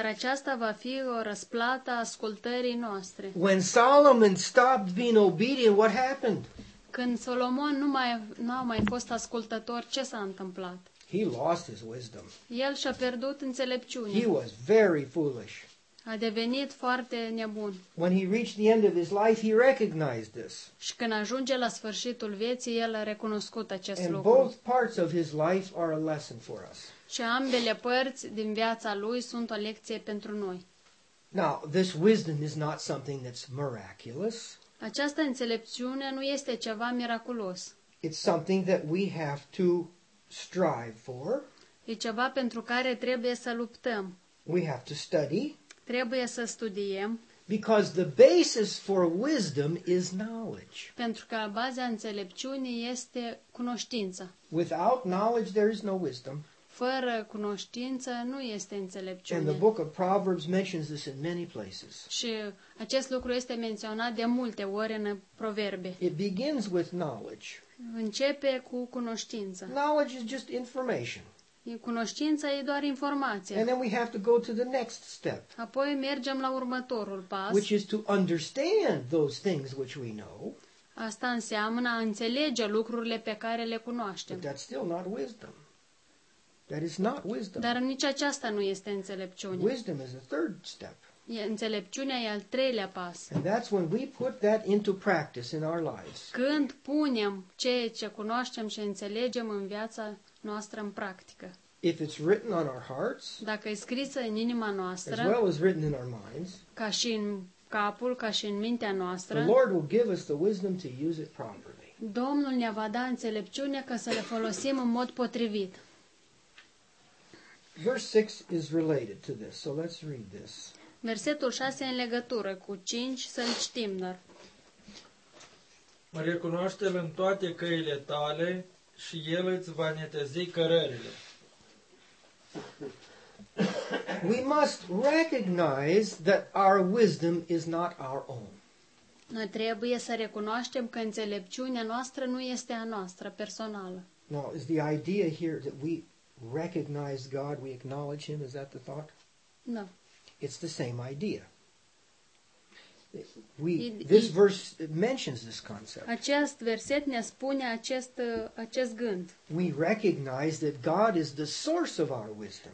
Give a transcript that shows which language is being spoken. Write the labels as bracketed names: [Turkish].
[Romanian] Dar aceasta va fi o răsplată ascultării noastre. [English] When Solomon stopped being obedient, what happened? [Romanian] Când Solomon nu a mai fost ascultător, ce s-a întâmplat? [English] He lost his wisdom. [Romanian] El și-a pierdut înțelepciunea. [English] He was very foolish. [Romanian] A devenit foarte nebun. [English] When he reached the end of his life, he recognized this. [Romanian] Și când ajunge la sfârșitul vieții, el a recunoscut acest [English] and [Romanian] lucru. [English] Both parts of his life are a lesson for us. [Romanian] Și ambele părți din viața lui sunt o lecție pentru noi. [English] Now, this wisdom is not something that's miraculous. [Romanian] Această înțelepciune nu este ceva miraculos. [English] It's something that we have to strive for. [Romanian] E ceva pentru care trebuie să luptăm. [English] We have to study. [Romanian] Trebuie să studiem. [English] Because the basis for wisdom is knowledge. [Romanian] Pentru că baza înțelepciunii este cunoștința. [English] Without knowledge there is no wisdom. [Romanian] Fără cunoștință nu este înțelepciune. [English] And the book of Proverbs mentions this in many places. [Romanian] Și acest lucru este menționat de multe ori în proverbe. [English] It begins with knowledge. [Romanian] Începe cu cunoștință. [English] Knowledge is just information. [Romanian] Cunoștința e doar informație. [English] And then we have to go to the next step. [Romanian] Apoi mergem la următorul pas. [English] Which is to understand those things which we know. [Romanian] Asta înseamnă a înțelege lucrurile pe care le cunoaștem. [English] But that's still not wisdom. That is not wisdom. [Romanian] Dar nici aceasta nu este înțelepciune. [English] Wisdom is the third step. [Romanian] Înțelepciunea e al treilea pas. [English] And that's when we put that into practice in our lives. [Romanian] Când punem ceea ce cunoaștem și înțelegem în viața noastră în practică. [English] If it's written on our hearts, [Romanian] dacă e scrisă în inima noastră, [English] as well as written in our minds, [Romanian] ca și în capul, ca și în mintea noastră, [English] the Lord will give us the wisdom to use it properly. [Romanian] Domnul ne va da înțelepciunea ca să le folosim în mod potrivit. [English] Verse 6 is related to this, so let's read this. [Romanian] Versetul 6 e în legătură cu 5, să-l citim, dar. Mă recunoaște-l în toate căile tale și el îți va netezi cărările. [English] We must recognize that our wisdom is not our own. [Romanian] Noi trebuie să recunoaștem că înțelepciunea noastră nu este a noastră personală. [English] No, is the idea here that we recognize God, we acknowledge him, is that the thought? No. It's the same idea. This verse mentions this concept. [Romanian] Acest verset ne spune acest gând. [English] We recognize that God is the source of our wisdom.